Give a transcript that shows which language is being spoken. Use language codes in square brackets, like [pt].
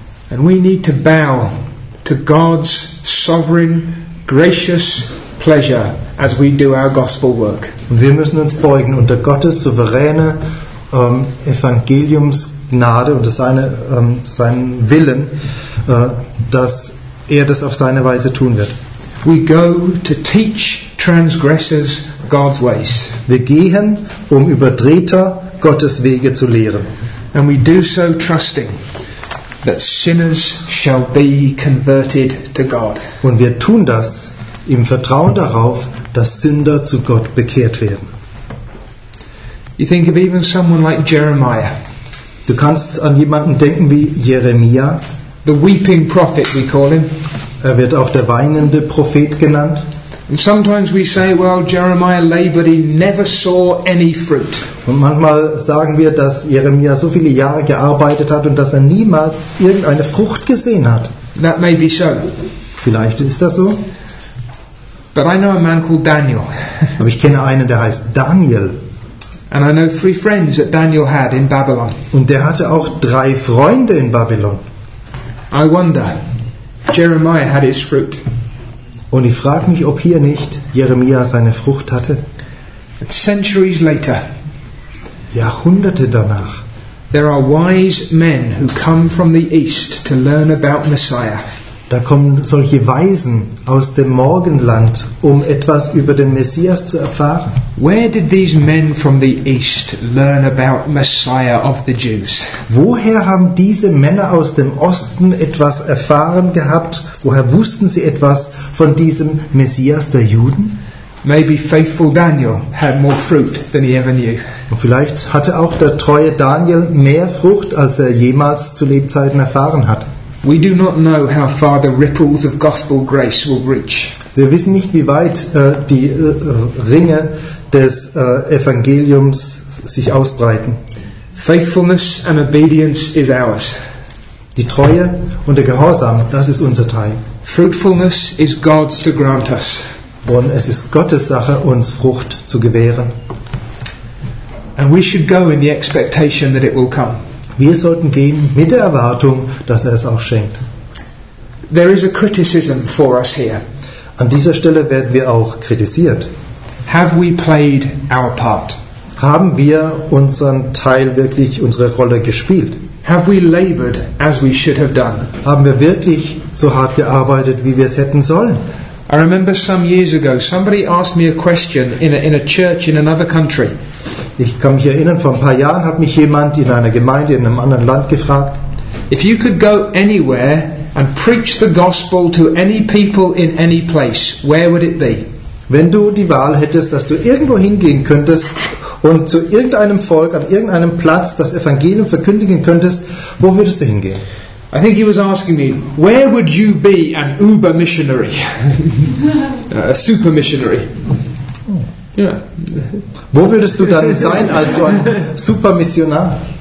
[en] And we need to bow to God's sovereign, gracious pleasure as we do our gospel work. [de] Und wir müssen uns beugen unter Gottes souveräne Evangeliumsgnade und seinen Willen, dass er das auf seine Weise tun wird. [en] We go to teach transgressors God's ways. [de] Wir gehen, um Übertreter Gottes Wege zu lehren. [en] And we do so trusting that sinners shall be converted to God. [de] Und wir tun das im Vertrauen darauf, dass Sünder zu Gott bekehrt werden. [en] You think of even someone like Jeremiah. [de] Du kannst an jemanden denken wie Jeremia. [en] The weeping prophet, we call him. [de] Er wird auch der weinende Prophet genannt. [en] And sometimes we say, well, Jeremiah labored, he never saw any fruit. [de] Und manchmal sagen wir, dass Jeremia so viele Jahre gearbeitet hat und dass er niemals irgendeine Frucht gesehen hat. [en] That may be so. [de] Vielleicht ist das so. [en] But I know a man called Daniel. [de] Aber ich kenne einen, der heißt Daniel. [en] And I know three friends that Daniel had in Babylon. [de] Und der hatte auch drei Freunde in Babylon. [en] I wonder if Jeremiah had his fruit. [de] Und ich frage mich, ob hier nicht Jeremia seine Frucht hatte. [en] Centuries later, [de] Jahrhunderte danach, [en] there are wise men who come from the east to learn about Messiah. [de] Da kommen solche Weisen aus dem Morgenland, um etwas über den Messias zu erfahren. [en] Where did these men from the east learn about Messiah of the Jews? [de] Woher haben diese Männer aus dem Osten etwas erfahren gehabt? Woher wussten sie etwas von diesem Messias der Juden? [en] Maybe faithful Daniel had more fruit than he ever knew. [de] Und vielleicht hatte auch der treue Daniel mehr Frucht, als er jemals zu Lebzeiten erfahren hat. [en] We do not know how far the ripples of gospel grace will reach. [de] Wir wissen nicht, wie weit die Ringe des Evangeliums sich ausbreiten. [en] Faithfulness and obedience is ours. [de] Die Treue und der Gehorsam, das ist unser Teil. [en] Fruitfulness is God's to grant us. [de] Und es ist Gottes Sache, uns Frucht zu gewähren. [en] And we should go in the expectation that it will come. [de] Wir sollten gehen mit der Erwartung, dass er es auch schenkt. [en] There is a criticism for us here. [de] An dieser Stelle werden wir auch kritisiert. [en] Have we played our part? [de] Haben wir unseren Teil wirklich, unsere Rolle gespielt? [en] Have we labored as we should have done? [de] Haben wir wirklich so hart gearbeitet, wie wir es hätten sollen? [en] I remember some years ago, somebody asked me a question in a church in another country. [de] Ich kann mich erinnern, vor ein paar Jahren hat mich jemand in einer Gemeinde in einem anderen Land gefragt. [en] If you could go anywhere and preach the gospel to any people in any place, where would it be? [de] Wenn du die Wahl hättest, dass du irgendwo hingehen könntest und zu irgendeinem Volk an irgendeinem Platz das Evangelium verkündigen könntest, wo würdest du hingehen? [en] I think he was asking me, where would you be an uber missionary? A super missionary. Yeah. [de] Wo würdest du dann sein als so ein super Missionar?